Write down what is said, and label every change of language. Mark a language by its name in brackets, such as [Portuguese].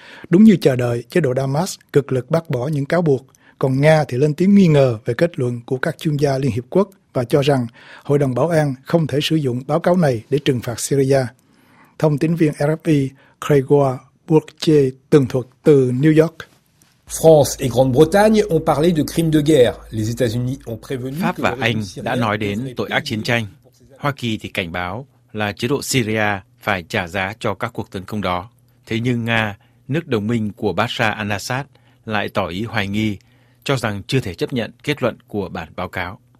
[Vietnamese] Đúng như chờ đợi, chế độ Damascus cực lực bác bỏ những cáo buộc. Còn Nga thì lên tiếng nghi ngờ về kết luận của các chuyên gia Liên Hiệp Quốc và cho rằng Hội đồng Bảo an không thể sử dụng báo cáo này để trừng phạt Syria. Thông tín viên RFI Craig Ward Bourque tường thuật từ New York. [French] France et Grande-Bretagne ont parlé de crimes de guerre. Les États-Unis ont prévenu [Vietnamese] Pháp và Anh đã nói đến tội ác chiến tranh. Hoa Kỳ thì cảnh báo là chế độ Syria phải trả giá cho các cuộc tấn công đó. Thế nhưng Nga, nước đồng minh của Bashar al-Assad, lại tỏ ý hoài nghi, cho rằng chưa thể chấp nhận kết luận của bản báo cáo.